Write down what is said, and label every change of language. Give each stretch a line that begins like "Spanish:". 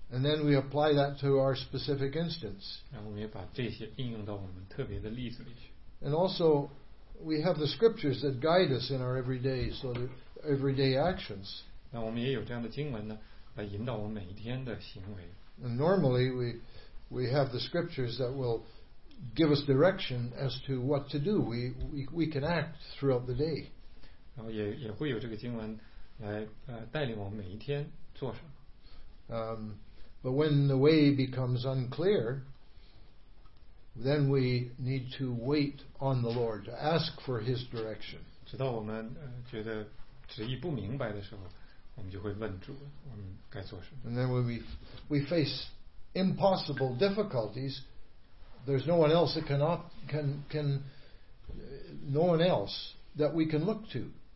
English: And then we apply that to our specific instance.
Chinese: 然后我们也把这些应用到我们特别的例子里去。
English: And also, we have the scriptures that guide us in our everyday, everyday actions.
Chinese: 那我们也有这样的经文呢，来引导我们每一天的行为。
English: Normally, we have the scriptures that will give us direction as to what to do. We can act throughout the day.
Chinese: 然后也会有这个经文来带领我们每一天做什么。
English: But when the way becomes unclear, then we need to wait on the Lord to ask for His direction.
Chinese: 直到我们觉得旨意不明白的时候。
English: And then when we face impossible difficulties, there's no one else that can no one else that we can look to.